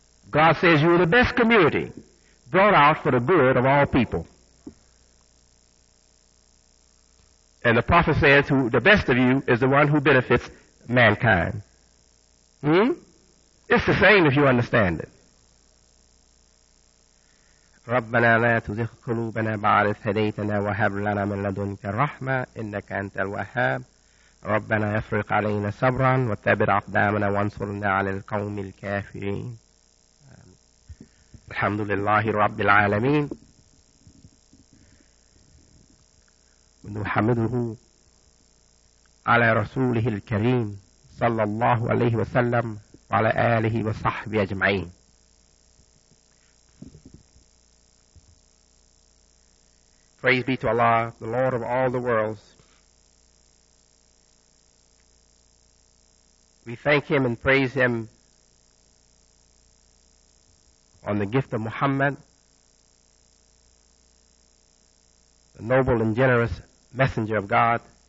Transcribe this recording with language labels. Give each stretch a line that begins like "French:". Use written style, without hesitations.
English: God says you are the best community brought out for the good of all people. And the Prophet says who the best of you is the one who benefits mankind. It's the same if you understand it.
Arabic: ربنا لا تزغ قلوبنا بعد إذ هديتنا وهب لنا من لدنك الرحمة إنك أنت الوهاب. ربنا افرغ علينا صبرا وثبت أقدامنا وانصرنا على القوم الكافرين. الحمد لله رب العالمين، ونحمده على رسوله الكريم صلى الله عليه وسلم وعلى آله وصحبه أجمعين.
English: Praise be to Allah, the Lord of all the worlds. We thank Him and praise Him on the gift of Muhammad, the noble and generous messenger of God.